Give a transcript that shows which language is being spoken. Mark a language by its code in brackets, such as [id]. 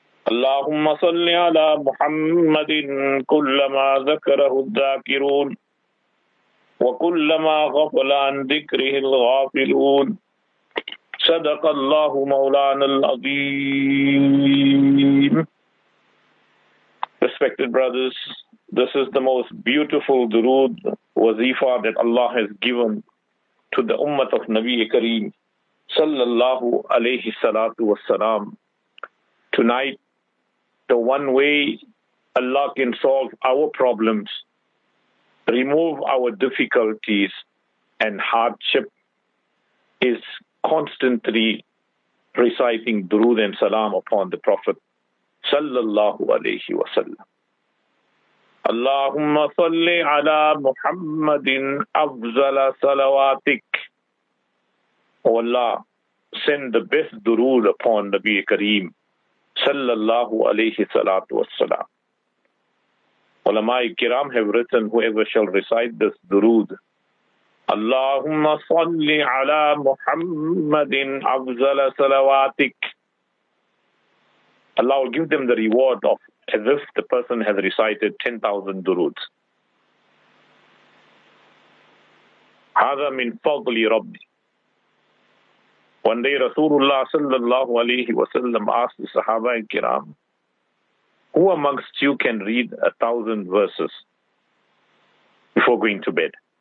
[ar] اللهم صل على محمد كلما ذكره الذاكرون وكلما غفل عن ذكره الغافلون صدق الله مولانا العظيم. [en] Respected brothers, this is the most beautiful durood wazifa that Allah has given to the ummah of Nabi Kareem sallallahu alayhi salatu wassalam. Tonight, the one way Allah can solve our problems, remove our difficulties and hardship is constantly reciting durood and salam upon the Prophet sallallahu alayhi wa sallam. [ar] Allahumma salli ala Muhammadin afzala salawatik. [en] O Allah, send the best durood upon Nabi Kareem sallallahu alayhi salatu wa sallam. Ulama-i kiram have written, whoever shall recite this durood [ar] اللهم صل على محمد أفضل صلواتك. [en] Allah will give them the reward of as if the person has recited 10,000 duruds. [ar] هذا من فضل ربي. [en] One day Rasulullah sallallahu alayhi wa sallam asked the Sahaba and Kiram, who amongst you can read 1,000 verses before going to bed?